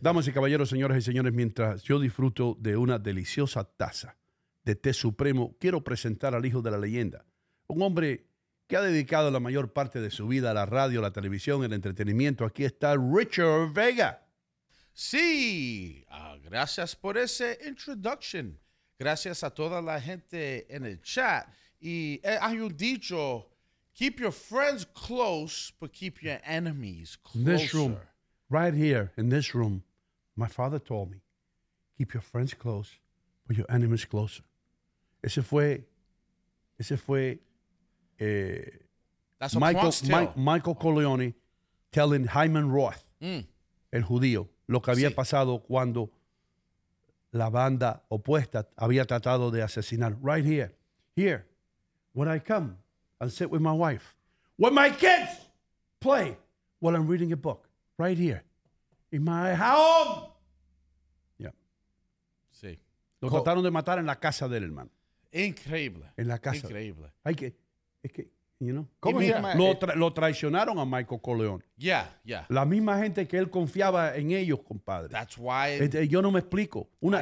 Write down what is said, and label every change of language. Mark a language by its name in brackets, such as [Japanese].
[Spanish] Damas y caballeros, señoras y señores, mientras yo disfruto de una deliciosa taza de té supremo, quiero presentar al hijo de la leyenda, un hombre que ha dedicado la mayor parte de su vida a la radio, la televisión, el entretenimiento. Aquí está Richard Vega. Sí, gracias por ese introduction. Gracias a toda la gente en el chat. Y hay un dicho, [English] keep your friends close, but keep your enemies closer. This room, right here in this room, my father told me, keep your friends close, but your enemies closer. That's Michael, a Bronx tale. [Spanish] Michael Corleone telling Hyman Roth, el judío, lo que había pasado cuando la banda opuesta había tratado de asesinar. [English] Right here. When I come and sit with my wife, when my kids play while I'm reading a book, right here, in my home. Yeah. [Spanish] Sí. Lo trataron de matar en la casa del hermano. Increíble. En la casa. Increíble. Es que, [English] you know. [Spanish] ¿Cómo se llama? Lo traicionaron a Michael Corleone. [English] Yeah. [Spanish] La misma gente que él confiaba en ellos, compadre. [English] That's why. [Spanish] Yo no me explico. Una,